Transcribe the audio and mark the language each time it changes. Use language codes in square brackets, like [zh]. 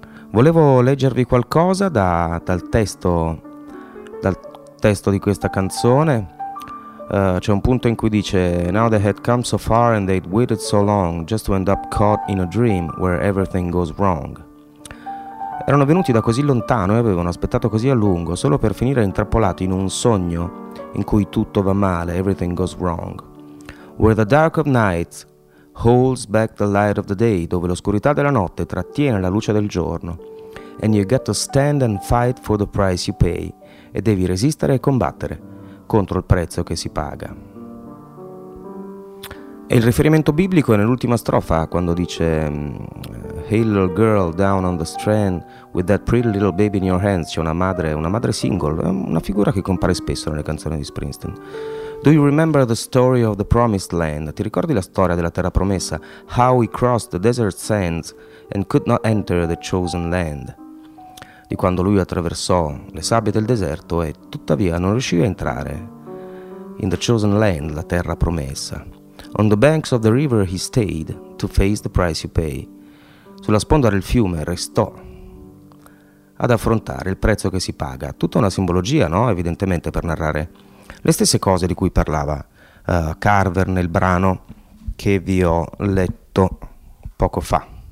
[it] Volevo leggervi qualcosa dal testo di questa canzone. C'è un punto in cui dice: [en] Now they had come so far and they'd waited so long just to end up caught in a dream where everything goes wrong. [it] Erano venuti da così lontano e avevano aspettato così a lungo, solo per finire intrappolati in un sogno in cui tutto va male, [en] everything goes wrong. Where the dark of night holds back the light of the day, [it] dove l'oscurità della notte trattiene la luce del giorno. [en] And you got to stand and fight for the price you pay. [it] E devi resistere e combattere contro il prezzo che si paga. E il riferimento biblico è nell'ultima strofa, quando dice: [en] Hey little girl down on the strand with that pretty little baby in your hands. [it] C'è una madre single, una figura che compare spesso nelle canzoni di Springsteen. [en] Do you remember the story of the promised land? [it] Ti ricordi la storia della terra promessa? [en] How we crossed the desert sands and could not enter the chosen land. [it] Di quando lui attraversò le sabbie del deserto e tuttavia non riuscì a entrare in [en] the chosen land, [it] la terra promessa. [en] On the banks of the river he stayed to face the price you pay. [it] Sulla sponda del fiume restò ad affrontare il prezzo che si paga. Tutta una simbologia, no? Evidentemente per narrare le stesse cose di cui parlava Carver nel brano che vi ho letto poco fa.